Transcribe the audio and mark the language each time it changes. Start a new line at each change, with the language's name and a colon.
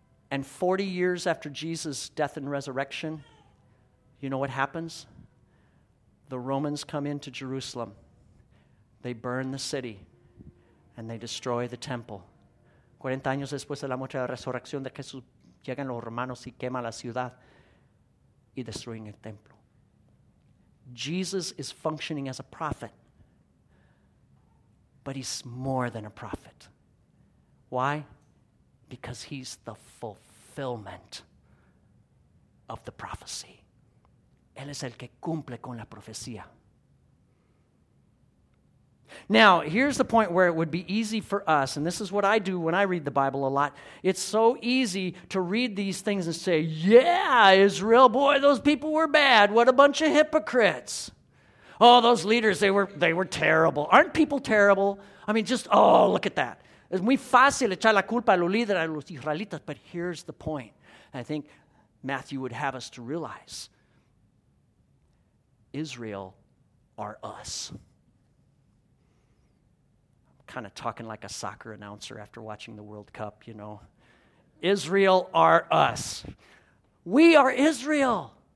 English: And 40 years after Jesus' death and resurrection, you know what happens? The Romans come into Jerusalem. They burn the city and they destroy the temple.
Spanish: 40 años después de la muerte y la resurrección de Jesús, llegan los romanos y queman la ciudad y destruyen el templo.
English: Jesus is functioning as a prophet, but he's more than a prophet. Why? Because he's the fulfillment of the prophecy.
Spanish: Él es el que cumple con la profecía.
English: Now, here's the point where it would be easy for us, and this is what I do when I read the Bible a lot. It's so easy to read these things and say, yeah, Israel, boy, those people were bad. What a bunch of hypocrites. Oh, those leaders, they were terrible. Aren't people terrible? I mean, just, oh, look at that.
Spanish: Es muy fácil echar la culpa a los líderes, a los israelitas.
English: But here's the point. I think Matthew would have us to realize. Israel are us. I'm kind of talking like a soccer announcer after watching the World Cup, you know. Israel are us. We are Israel.